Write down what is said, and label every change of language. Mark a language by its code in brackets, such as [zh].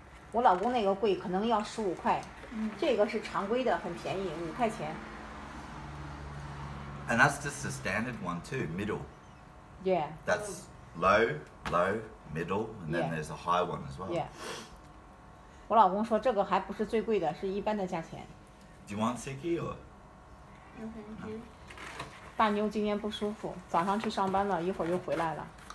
[zh] 我老公那个贵，可能要15块。嗯、这个是常规的，很便宜，5块钱。 [en] And that's just the standard one too, middle. Yeah. That's low, low, middle, and then there's a high one as well. Yeah. [zh] 我老公说这个还不是最贵的，是一般的价钱。 [en] Do you want sicky or? No, thank you. [zh] 大妞今天不舒服，早上去上班了，一会儿又回来了。